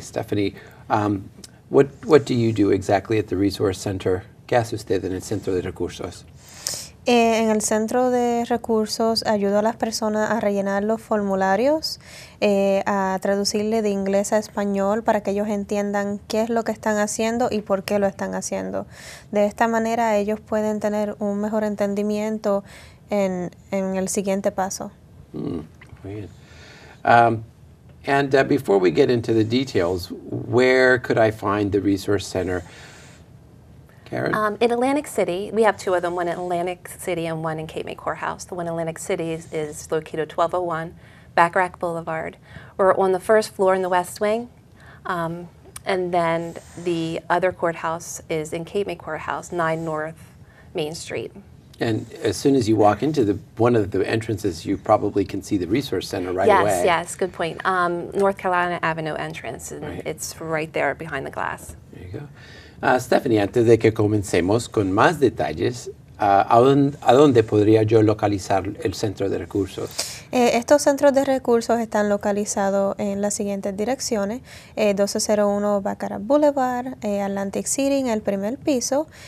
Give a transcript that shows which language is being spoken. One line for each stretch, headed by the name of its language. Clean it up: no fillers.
English: Stephanie, what do you do exactly at the Resource Center?
Spanish: ¿Qué hace usted en el Centro de Recursos? En el Centro de Recursos ayudo a las personas a rellenar los formularios, a traducirle de inglés a español para que ellos entiendan qué es lo que están haciendo y por qué lo están haciendo. De esta manera ellos pueden tener un mejor entendimiento en el siguiente paso.
English: Before we get into the details, where could I find the Resource Center? In Atlantic City, we have two of them, one in Atlantic City and one in Cape May Courthouse. The one in Atlantic City is located 1201 Bacharach Boulevard. We're on the first floor in the West Wing, and then the other courthouse is in Cape May Courthouse, 9 North Main Street. And as soon as you walk into one of the entrances, you probably can see the Resource Center right away. Yes, yes, good point. North Carolina Avenue entrance, and right. It's right there behind the glass. There you go.
Spanish: Stephanie, antes de que comencemos con más detalles, ¿a dónde podría yo localizar el centro de recursos? Estos centros de recursos están localizados en las siguientes direcciones. 1201 Bacharach Boulevard, Atlantic City en el primer piso.